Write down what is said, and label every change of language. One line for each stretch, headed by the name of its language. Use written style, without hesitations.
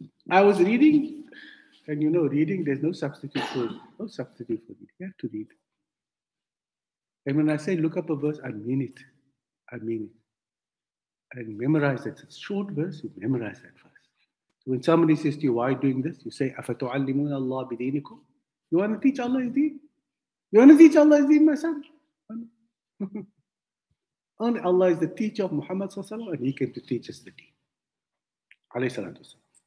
English: I was reading, and you know, reading, there's no substitute for reading. You have to read. And when I say look up a verse, I mean it. And memorize it. It's a short verse, you memorize that first. When somebody says to you, why are you doing this? You say,
Arabic: أَفَتُعَلِّمُونَ اللَّهَ بِدِينِكُمْ.
English: You want to teach Allah his deen? You want to teach Allah his deen, my son? Only Allah is the teacher of Muhammad sallallahu alayhi wa sallam, and he came to teach us the deen. Alayhi salatu wa sallam.